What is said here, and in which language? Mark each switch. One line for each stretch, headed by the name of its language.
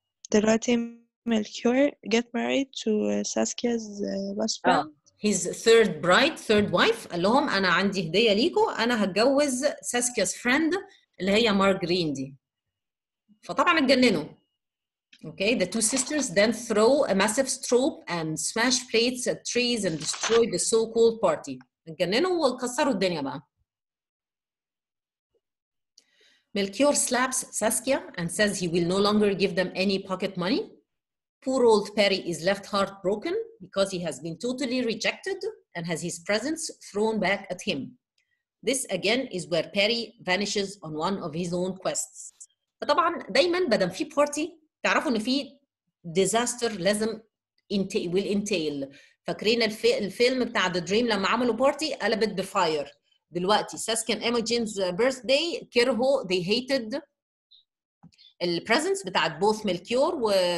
Arabic: دلوقتي ملكيور
English: get married to
Arabic: ساسكيا's best اه
English: friend. his third bride third wife
Arabic: قال لهم انا عندي هديه ليكو، انا هتجوز ساسكياز فريند اللي هي مارجرين دي. فطبعا اتجننوا.
English: Okay, the two sisters then throw a massive strobe and smash plates at trees and destroy the so-called party.
Arabic: اتجننوا وكسروا الدنيا بقى.
English: Melchior slaps Saskia and says he will no longer give them any pocket money. Poor old Perry is left heartbroken because he has been totally rejected and has his presents thrown back at him. This again is where Perry vanishes on one of his own quests.
Arabic: فطبعا دايما بدل في بارتي تعرفوا ان في ديزاستر لازم
English: will entail.
Arabic: فاكرين الفيلم بتاع The Dream لما عملوا بارتي قلبت بفاير. دلوقتي ساسكن ايموجينز بيرث داي كرهوا
English: they hated
Arabic: البريزنس بتاعت بوث ملكيور و